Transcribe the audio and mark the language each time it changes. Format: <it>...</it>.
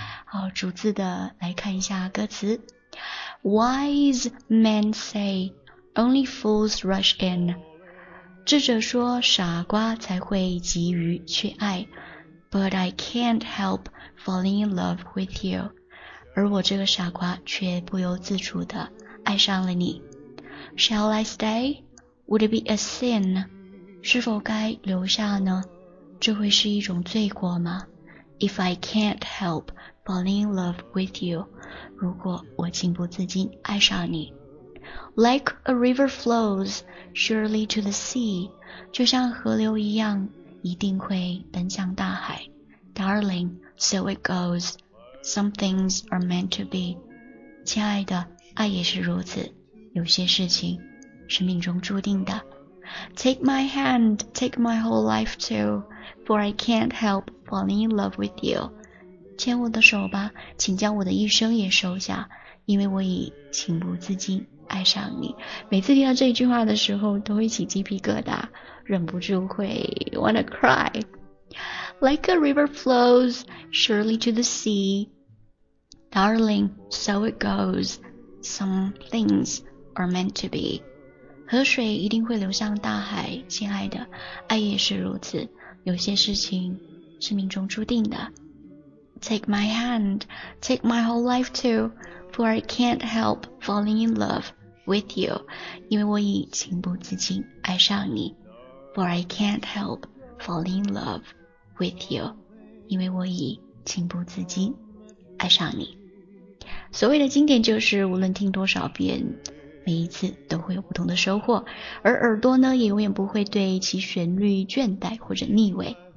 <zh>好，逐字的来看一下歌词。</zh> <en>Wise men say, only fools rush in.</en> <zh>智者说傻瓜才会急于去爱。</zh> <en>But I can't help falling in love with you.</en> <zh>而我这个傻瓜却不由自主地爱上了你。</zh> <en>Shall I stay? Would it be a sin?</en> <zh>是否该留下呢？这会是一种罪过吗？</zh> <en>If I can't help falling in love with you.</en> <zh>如果我情不自禁爱上你</zh> <en>Like a river flows surely to the sea</en> <zh>就像河流一样一定会奔向大海</zh> <en>Darling, so it goes Some things are meant to be</en> <zh>亲爱的爱也是如此有些事情是命中注定的</zh> <en>Take my hand, take my whole life too For I can't help falling in love with you</en> <zh>牵我的手吧，请将我的一生也收下，因为我已情不自禁爱上你。每次听到这句话的时候，都会起鸡皮疙瘩，忍不住会</zh> <en>wanna cry。 Like a river flows surely to the sea, darling, so it goes. Some things are meant to be.</en> <zh>河水一定会流向大海，亲爱的，爱也是如此。有些事情是命中注定的。</zh> <en>Take my hand, take my whole life too, for I can't help falling in love with you.</en> <zh>因为我已情不自禁爱上你。</zh> <en>For I can't help falling in love with you.</en> <zh>因为我已情不自禁爱上你。所谓的经典就是无论听多少遍，每一次都会有不同的收获。而耳朵呢，也永远不会对其旋律倦怠或者腻味。</zh>